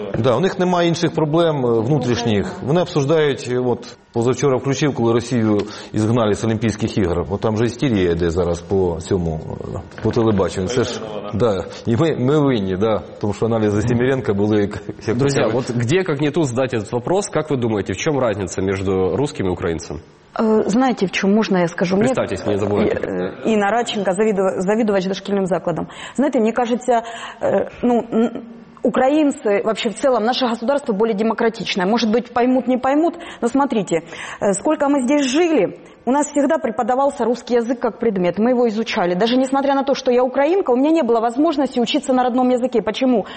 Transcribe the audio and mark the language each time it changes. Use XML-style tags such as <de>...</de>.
<uk>Да, у них немає інших проблем внутрішніх. Вони обсуждають, от позавчора включив, коли Росію ізгнали з Олімпійських ігор. От там вже істерія йде зараз по цьому, по телебаченню. Це ж, да. І ми винні, да. Тому що аналізи Сімєренка були... Як друзі, от де, як не тут, задати цей питання, як ви думаєте, в чому різниця між русским і українцем?</uk> <ru>Знаете, в чем можно, я скажу? Представьтесь, мне, не забывайте.</ru> <uk>Инна Радченко, завидувач дошкільним закладом.</uk> <ru>Знаете, мне кажется, ну, украинцы, вообще в целом, наше государство более демократичное. Может быть, поймут, не поймут, но смотрите, сколько мы здесь жили, у нас всегда преподавался русский язык как предмет, мы его изучали. Даже несмотря на то, что я украинка, у меня не было возможности учиться на родном языке. Почему?</ru>